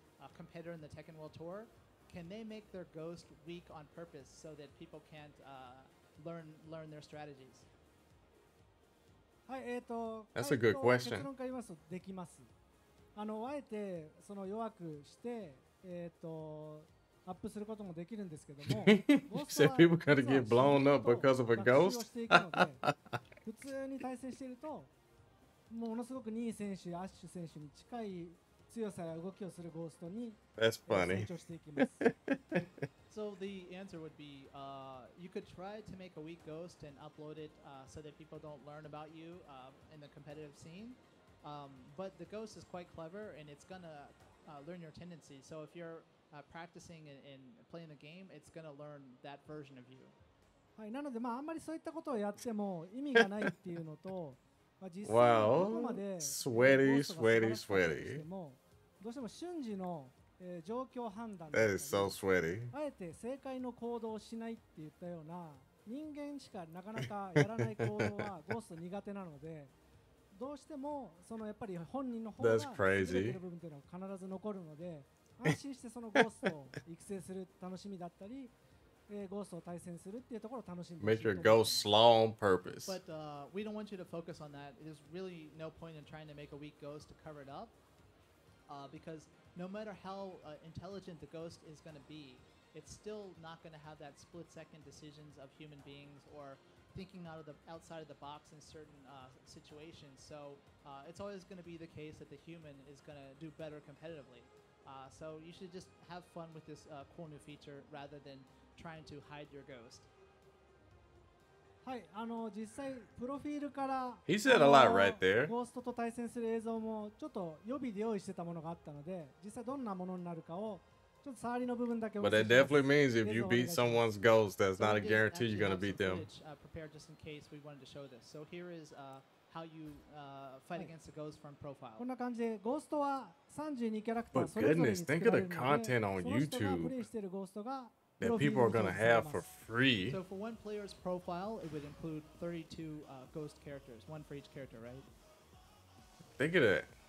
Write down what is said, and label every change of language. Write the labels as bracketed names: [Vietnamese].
[English] a competitor in the Tekken World Tour, can they make their ghost weak on purpose so that people can't learn their strategies? [Japanese] はい、 [English] That's a good question. [Japanese] 結論から言いますとできます。あの、あえてその弱くして、アップすることもできるんですけども、ゴーストは実は [English] People gotta get blown up because of a ghost? [Japanese] 普通に対戦していると、ものすごくニー選手、アッシュ選手に近い強さや動きをするゴーストに [English] That's funny. [Japanese] 成長していきます。 [English] So the answer would be, you could try to make a weak ghost and upload it so that people don't learn about you in the competitive scene. But the ghost is quite clever and it's going to learn your tendencies. So if you're practicing and playing the game, it's going to learn that version of you. [Japanese] はい、なので、まあ、あんまりそういったことをやっても意味がないっていうのと、まあ、実際どこまで、 [English] wow. Sweaty. [Japanese] どうしても瞬時の状況判断で、ね、 [English] That is so sweaty. [Japanese] あえて正解の行動をしないって言ったような人間しかなかなかやらない行動はゴースト苦手なので、どうしてもそのやっぱり本人の方が優れてる部分というのは必ず残るので、安心してそのゴーストを育成する楽しみだったり、ゴーストを対戦するっていうところを楽しんで [English] Make your ghost slow on purpose. But we don't want you to focus on that. There's really no point in trying to make a weak ghost to cover it up. because no matter how intelligent the ghost is going to be, it's still not going to have that split second decisions of human beings or thinking out of the outside of the box in certain situations. So it's always going to be the case that the human is going to do better competitively. So you should just have fun with this cool new feature rather than trying to hide your ghost. [Japanese] はい、あの実際プロフィールから [English] He said a lot right there. [Japanese] ゴーストと対戦する映像もちょっと予備で用意してたものがあったので、実際どんなものになるかをちょっと触りの部分だけ [English] But that definitely means if you beat someone's ghost, that's not a guarantee you're going to beat them. Prepare just in case we wanted to show this. So here is how you fight against the ghost from profile. [Japanese] こんな感じでゴーストは32キャラクター。 [English] But goodness, think of the content on YouTube. That people are going to have for free. So for one player's profile, it would include 32 ghost characters, one for each character, right? Think of that.